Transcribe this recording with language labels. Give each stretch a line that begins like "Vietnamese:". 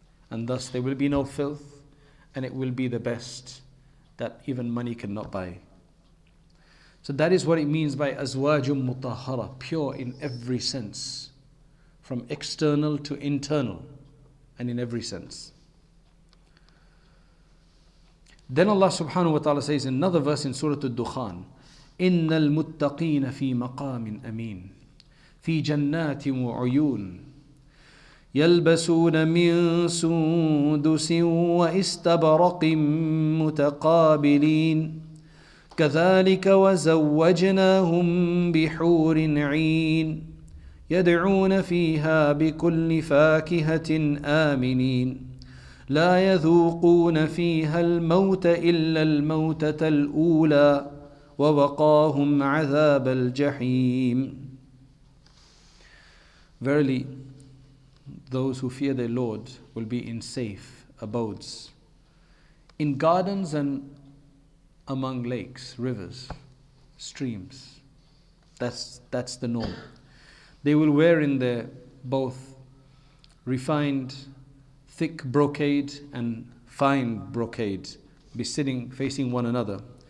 English: And thus there will be no filth, and it will be the best that even money cannot buy. So that is what it means by azwajum mutahara, pure in every sense, from external to internal, and in every sense. Then Allah subhanahu wa ta'ala says in another verse in Surah Al-Dukhan, innal muttaqeen fi maqamin amin, fi jannatin wa uyun,
Arabic: يَلْبَسُونَ مِنْ سُنْدُسٍ وَإِسْتَبْرَقٍ مُتَقَابِلِينَ كَذَلِكَ وَزَوَّجْنَاهُمْ بِحُورٍ عِينٍ يَدْعُونَ فِيهَا بِكُلِّ فَاكِهَةٍ آمِنِينَ لَا يَذُوقُونَ فِيهَا الْمَوْتَ إِلَّا الْمَوْتَةَ الْأُولَى وَوَقَاهُمْ عَذَابَ الْجَحِيمِ.
English: Verily, those who fear their Lord will be in safe abodes, in gardens and among lakes, rivers, streams. That's the norm. They will wear in their both refined thick brocade and fine brocade, be sitting facing one another.